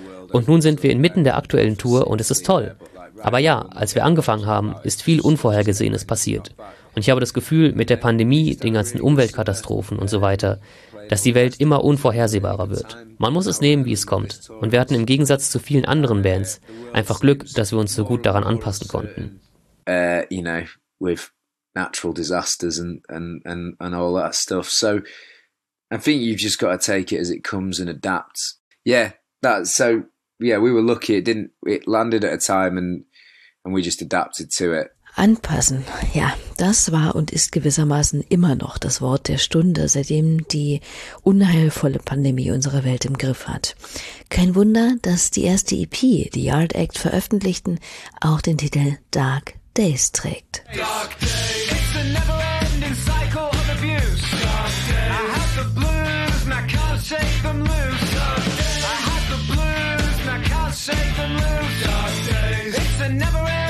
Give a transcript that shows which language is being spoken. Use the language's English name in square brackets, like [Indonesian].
[German] Und nun sind wir inmitten der aktuellen Tour und es ist toll. Aber ja, als wir angefangen haben, ist viel Unvorhergesehenes passiert. Und ich habe das Gefühl, mit der Pandemie, den ganzen Umweltkatastrophen und so weiter, dass die Welt immer unvorhersehbarer wird. Man muss es nehmen, wie es kommt. Und wir hatten im Gegensatz zu vielen anderen Bands einfach Glück, dass wir uns so gut daran anpassen konnten. [English] You know, with natural disasters and all that stuff. So I think you've just got to take it as it comes and adapt. Yeah, that's so. Yeah, we were lucky. It landed at a time and we just adapted to it. [German] Anpassen, ja, das war und ist gewissermaßen immer noch das Wort der Stunde, seitdem die unheilvolle Pandemie unsere Welt im Griff hat. Kein Wunder, dass die erste EP, die Yard Act veröffentlichten, auch den Titel Dark Days trägt. [English] Dark Days. It's a never-ending cycle of abuse. Dark Days. I have the blues and I can't shake them loose. Dark Days. I have the blues and I can't shake them loose. Dark Days. It's a never-ending.